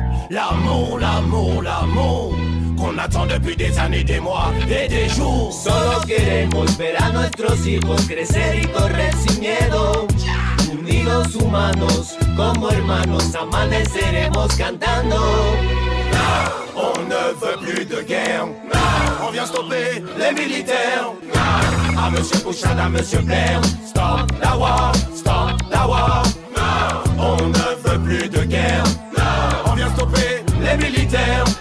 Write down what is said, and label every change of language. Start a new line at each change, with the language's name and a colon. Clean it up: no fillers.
French: L'amour, l'amour, l'amour qu'on attend depuis des années, des mois et des jours.
Spanish: Solo queremos ver a nuestros hijos crecer y correr sin miedo. Unidos humanos, como hermanos, amaneceremos cantando.
French: On ne veut plus de guerre. Non. On vient stopper les militaires. Non. À Monsieur Bouchard, à Monsieur Blair. Stop la war, stop la war. On ne veut plus de guerre. Non. On vient stopper les militaires.